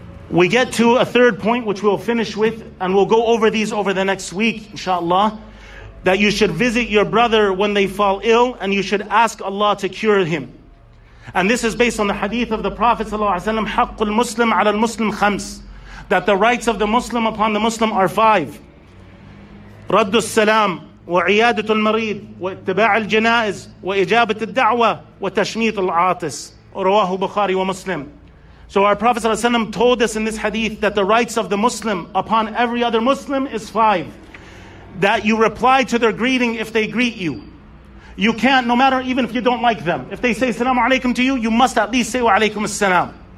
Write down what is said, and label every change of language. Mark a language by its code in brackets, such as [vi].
[en] We get to a third point, which we'll finish with, and we'll go over these over the next week, inshallah, that you should visit your brother when they fall ill, and you should ask Allah to cure him. And this is based on the hadith of the Prophet ﷺ, [ar] حَقُّ الْمُسْلِمْ عَلَى الْمُسْلِمْ خَمْسِ, [en] that the rights of the Muslim upon the Muslim are five. [ar] رَدُّ السَّلَامِ وعيادة المريض واتباع الجنائز وإجابة الدعوة وتشميت العاطس رواه بخاري ومسلم. [en] So our Prophet ﷺ told us in this hadith that the rights of the Muslim upon every other Muslim is five. That you reply to their greeting if they greet you. You can't, no matter, even if you don't like them, if they say salamu alaykum to you, you must at least say wa alaykum as-salam.